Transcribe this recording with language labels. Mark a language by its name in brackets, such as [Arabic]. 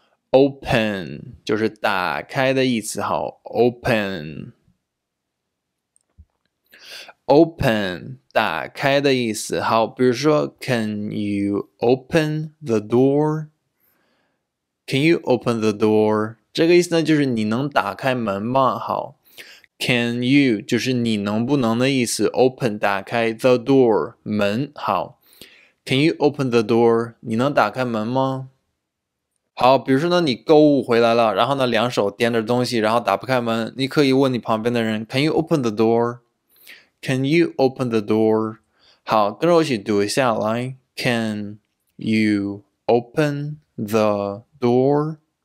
[Chinese] Open 就是打开的意思，好 ，Open，Open open, 打开的意思，好。 [English] 比如说 ，Can you open the door？Can you open the door？ [Chinese] 这个意思呢，就是你能打开门吗？好 ，Can you 就是你能不能的意思 ，Open 打开 the door 门，好 ， [English] Can you open the door？ [Chinese] 你能打开门吗？好，比如说呢，你购物回来了，然后呢，两手掂着东西，然后打不开门，你可以问你旁边的人 ， [English] Can you open the door? Can you open the door? [Chinese] 好，跟着我一起读一下来 [English] ，Can you open the door?